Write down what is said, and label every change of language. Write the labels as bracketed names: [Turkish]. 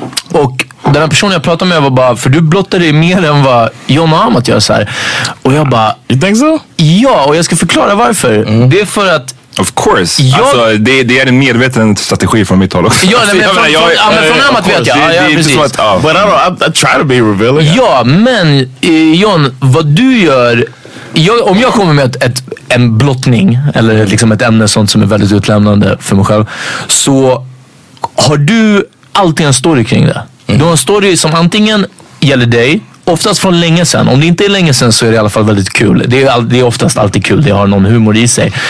[Swedish] Och den här personen jag pratade med var bara, för du blottade ju mer än vad John och Amat gör så här. Och jag bara... [English] You think so? [Swedish] Ja, och jag ska förklara varför. Mm. Det är för att... [English] Of course. [Swedish] Jag, alltså, det är en medveten strategi från mitt håll också. Ja, nej, men från Amat vet jag. [English] But I try to be revealing. [Swedish] Ja, men John, vad du gör... om jag kommer med en blottning eller liksom ett ämne sånt som är väldigt utlämnande för mig själv, så har du alltid en story kring det. Du har en story som antingen gäller dig, oftast från länge sedan. Om det inte är länge sedan så är det i alla fall väldigt kul. Det är oftast alltid kul, det har någon humor i sig.